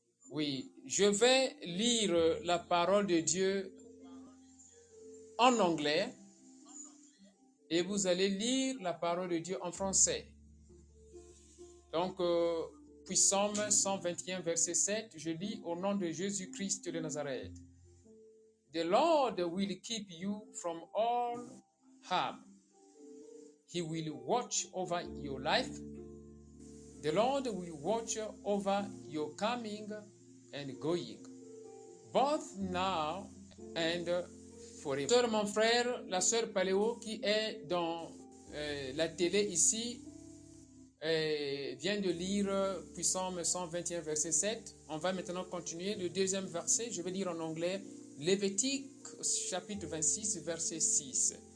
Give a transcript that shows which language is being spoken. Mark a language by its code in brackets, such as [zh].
[fr] Oui, je vais lire la parole de Dieu en anglais, et vous allez lire la parole de Dieu en français. Donc, Psaume 121, verset 7, je lis au nom de Jésus-Christ de Nazareth. [en] The Lord will keep you from all harm. He will watch over your life. The Lord will watch over your coming and going. both now and forever. [fr] Sœur, mon frère, la sœur Paléo qui est dans la télé ici vient de lire Psaume 121 verset 7. On va maintenant continuer le deuxième verset. Je vais lire en anglais Lévitique chapitre 26 verset 6.